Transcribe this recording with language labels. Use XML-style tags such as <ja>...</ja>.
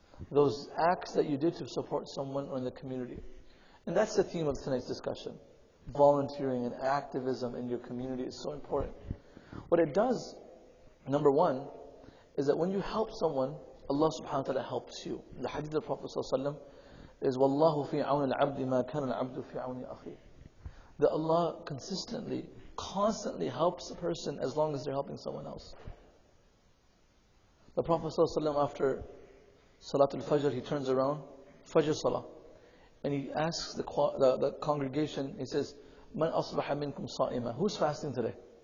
<en>Those acts that you did to support someone or in the community. And that's the theme of tonight's discussion. Volunteering and activism in your community is so important. What it does, number one, is that when you help someone, Allah subhanahu wa ta'ala helps you.</en> <ar>The hadith of Prophet ﷺ is, وَاللَّهُ فِي عَوْنِ الْعَبْدِ مَا كَانَ الْعَبْدُ فِي عَوْنِ أَخِي.</ar> <en>That Allah consistently, constantly helps a person as long as they're helping someone else. The Prophet ﷺ, after Salatul Fajr, he turns around, Fajr Salah, and he asks the congregation, he says, Man asbaha minkum sa'ima? Who's fasting today?</en>